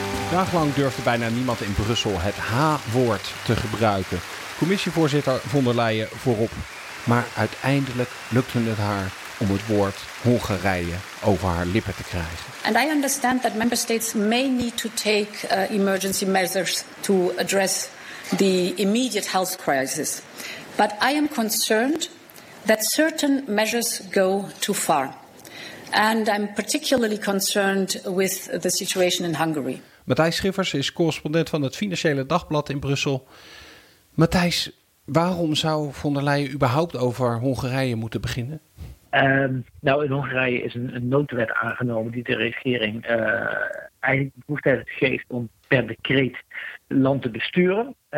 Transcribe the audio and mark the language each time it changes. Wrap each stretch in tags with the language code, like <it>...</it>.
<nl>Daaglang durfde bijna niemand in Brussel het H-woord te gebruiken. Commissievoorzitter von der Leyen voorop. Maar uiteindelijk lukte het haar om het woord Hongarije over haar lippen te krijgen.</nl> <en>And I understand that member states may need to take emergency measures to address the immediate health crisis. But I am concerned that certain measures go too far. And I'm particularly concerned with the situation in Hungary.</en> <nl>Matthijs Schiffers is correspondent van het Financiële Dagblad in Brussel. Matthijs, Waarom zou von der Leyen überhaupt over Hongarije moeten beginnen? Nou, in Hongarije is een noodwet aangenomen die de regering eigenlijk bevoegdheid geeft om per decreet land te besturen.</nl>